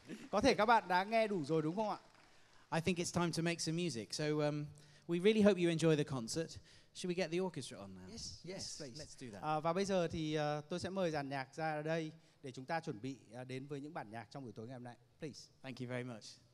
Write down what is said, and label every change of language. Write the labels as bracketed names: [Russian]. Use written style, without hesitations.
[Vietnamese] Có thể các bạn đã nghe đủ rồi đúng không ạ? [English] I think it's time to make some music. So we really hope you enjoy the concert. Should we get the orchestra on now? Yes, please. Let's do that. [Vietnamese] Và bây giờ thì tôi sẽ mời dàn nhạc ra đây để chúng ta chuẩn bị đến với những bản nhạc trong buổi tối ngày hôm nay. [English] Please. Thank you very much.